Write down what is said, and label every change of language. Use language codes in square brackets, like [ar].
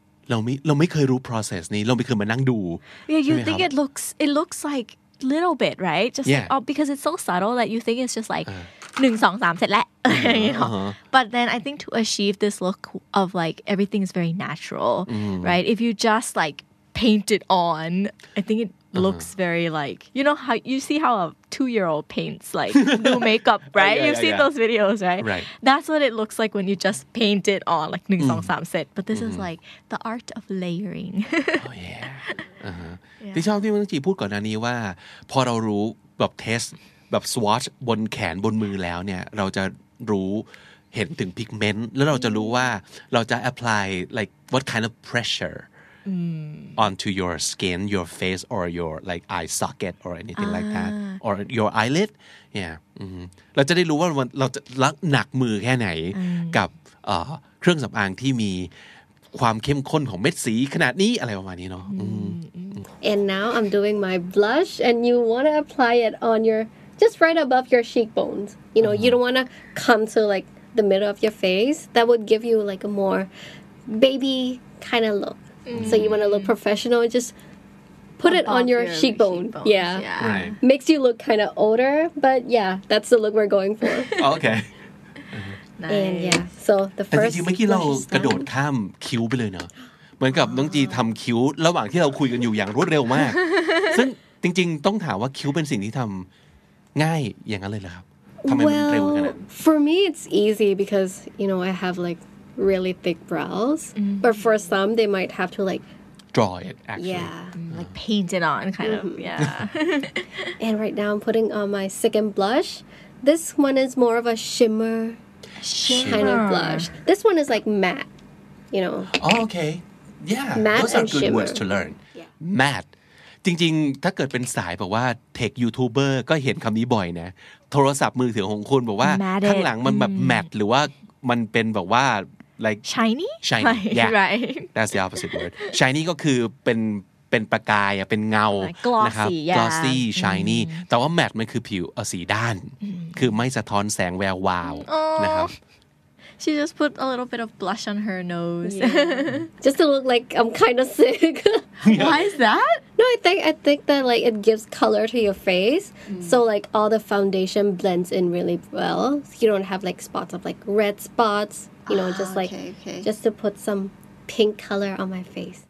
[th] เราไม่เคยรู้ process นี้เราไม่เคยมานั่งดู [en] Yeah, you think it looks like little bit, right? Just yeah. Like, oh, because it's so subtle that you think it's just like 1, 2, 3 [th] เสร็จแล้ว [en] But then I think to achieve this look of like everything is very natural, right? If you just like paint it on, I think it looks very like you know how you see how a 2-year-old paints like new makeup right those videos right that's what it looks like when you just paint it on like 1, 2, 3 set but this is like the art of layering [th] ที่ชอบที่มึงจีพูดก่อนหน้านี้ว่าพอเรารู้แบบเทสแบบ swatch บนแขนบนมือแล้วเนี่ยเราจะรู้เห็นถึง pigment แล้วเราจะรู้ว่าเราจะ apply [en] like what kind of pressureonto your skin, your face, or your like eye socket, or anything like that, or your eyelid. [th] Yeah, เราจะได้รู้ว่าเราจะรักหนักมือแค่ไหนกับเครื่องสำอางที่มีความเข้มข้นของเม็ดสีขนาดนี้อะไรประมาณนี้เนาะ [en] And now I'm doing my blush, and you want to apply it on your just right above your cheekbones. You know, you don't want to come to like the middle of your face. That would give you like a more baby kind of look. So you want to look professional, just put it on your cheekbone. Yeah. Right. Makes you look kind of older, but yeah, that's the look we're going for. Okay. Nice. And yeah, so the first... [th] แต่จริงๆเมื่อกี้เรากระโดดข้ามคิ้วไปเลยเนอะเหมือนกับน้องจีทำคิ้วระหว่างที่เราคุยกันอยู่อย่างรวดเร็วมากซึ่งจริงๆต้องถามว่าคิ้วเป็นสิ่งที่ทำง่ายอย่างนั้นเลยเหรอครับทำไมมันเร็วขนาดนั้น [en] Well, for me it's easy because, you know, I have like... really thick brows but for some they might have to like draw it actually yeah like paint it on kind of yeah and right now I'm putting on my second blush this one is more of a shimmer, shimmer. kind of blush this one is like matte you know oh, okay yeah matte those are good shimmer. words to learn yeah. [th] matte จริงๆถ้าเกิดเป็นสายบอกว่าเทคยูทูบเบอร์ก็เห็นคำนี้บ่อยนะโทรศัพท์มือถือของคุณบอกว่า [en] matte [th] ข้างหลังมันแบบ matte หรือว่ามันเป็นแบบว่า like [en] shiny yeah right. that's the opposite word shiny [th] ก็คือเป็นประกายอ่ะเป็นเงา [en] glossy, [th] นะครับ [en] yeah. [th] glossy shiny แต่ว่า matte มันคือผิวสีด้านคือไม่สะท้อนแสงแวววาวนะครับ [en] she just put a little bit of blush on her nose yeah. just to look like I'm kind of sick why is that no I think that like it gives color to your face so like all the foundation blends in really well so you don't have like spots of like red spots you know, just like, just to put some pink color on my face.